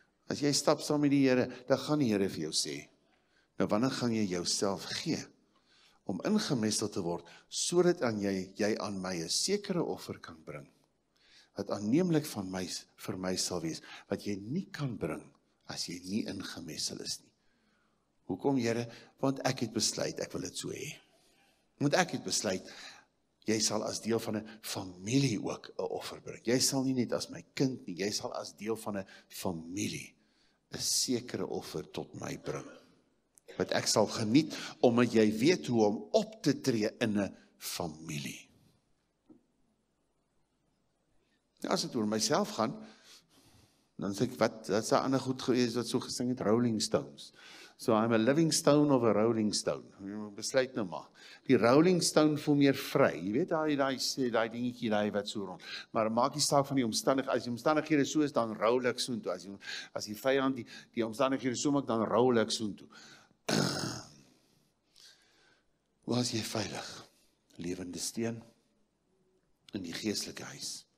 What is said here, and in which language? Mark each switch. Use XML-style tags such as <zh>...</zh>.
<af>As jy stap saam met die Here, dan gaan die Here vir jou sê, nou wanneer gaan jy jouself gee, om ingemessel te word, sodat aan jy aan my een sekere offer kan bring, wat aanneemlik van my, vir my sal wees, wat jy nie kan bring, as jy nie ingemessel is nie. Hoekom Here? Want ek het besluit, ek wil het so hê. Moet ek het besluit, jy sal as deel van 'n familie ook 'n offer bring. Jy sal nie net as my kind nie, jy sal as deel van 'n familie 'n sekere offer tot my bring. Wat ek sal geniet, omdat jy weet hoe om op te tree in 'n familie. Ja, as het oor myself gaan, dan sê ek, wat, dat is 'n ander goed gewees wat so gesing het, Rolling Stones.</af> <en>So I'm a living stone of a rolling stone.</en> <af>Besluit nou maar. Die rolling stone voel meer vry. Jy weet daai dingetjie daai wat so rond. Maar maak nie saak van die omstandighede. As die omstandighede so is, dan rol ek so toe. As die vyand die omstandighede so maak, dan rol ek so toe. Hoe is jy veilig? Lewende steen in die geestelike huis.</af>